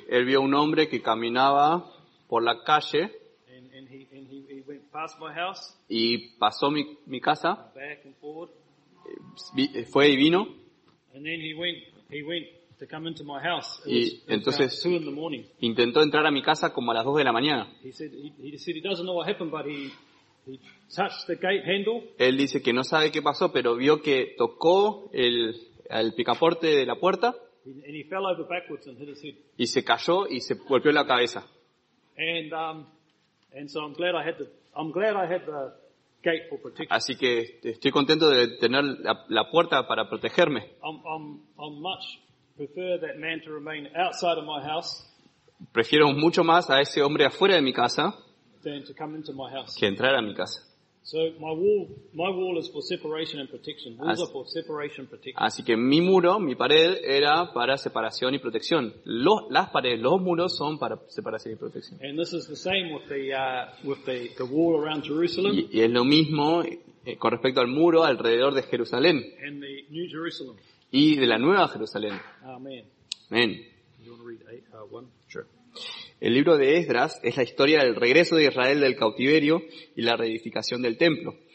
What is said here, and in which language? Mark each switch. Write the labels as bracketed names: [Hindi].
[Spanish] Él vio un hombre que caminaba por la calle. [English] And he went past my house. [Spanish] Y pasó mi casa. [English] Back and forward. [Spanish] Fue y vino. [English] And then he went to come into my house. [Spanish] Y entonces [English] two in the morning. [Spanish] Intentó entrar a mi casa como a las 2 de la mañana. [English] He said he doesn't know what happened, but he touched the gate handle. [Spanish] Él dice que no sabe qué pasó, pero vio que tocó el picaporte de la puerta. [English] And he fell over backwards and hit his head. [Spanish] Y se cayó y se golpeó la cabeza. [English] And so I'm glad I had the gate for protection. [Spanish] Así que estoy contento de tener la puerta para protegerme. [English] I'm much prefer that man to remain outside of my house. [Spanish] Prefiero mucho más a ese hombre afuera de mi casa [English] than to come into my house. [Spanish] Que entrar a mi casa. [English] So my wall is for separation and protection. Walls are for separation and protection. [Spanish] Así que mi muro, mi pared, era para separación y protección. Las paredes, los muros son para separación y protección. [English] And this is the same with the wall around Jerusalem. [Spanish] Y es lo mismo con respecto al muro alrededor de Jerusalén. [English] And the New Jerusalem. [Spanish] Y de la Nueva Jerusalén. [English] Amen. [Spanish] Amen. [English] You want to read 8:1? Sure. [Spanish] El libro de Esdras es la historia del regreso de Israel del cautiverio y la reedificación del templo.